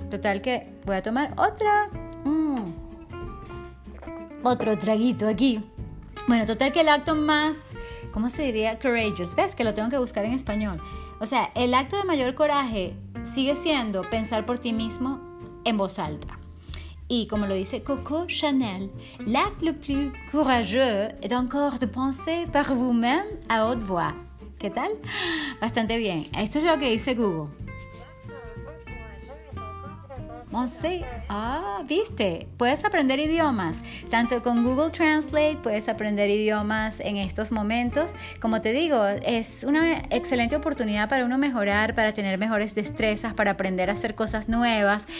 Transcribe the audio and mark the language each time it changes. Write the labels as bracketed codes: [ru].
[es] Total que voy a tomar otra. Otro traguito aquí. Bueno, total que el acto más, ¿cómo se diría? Courageous. ¿Ves? Que lo tengo que buscar en español. O sea, el acto de mayor coraje sigue siendo pensar por ti mismo en voz alta. Y como lo dice [fr] Coco Chanel, l'acte le plus courageux est encore de penser par vous-même à haute voix. [es] ¿Qué tal? Bastante bien. Esto es lo que dice Google. Monse. Ah, ¿viste? Puedes aprender idiomas. Tanto con Google Translate puedes aprender idiomas en estos momentos. Como te digo, es una excelente oportunidad para uno mejorar, para tener mejores destrezas, para aprender a hacer cosas nuevas.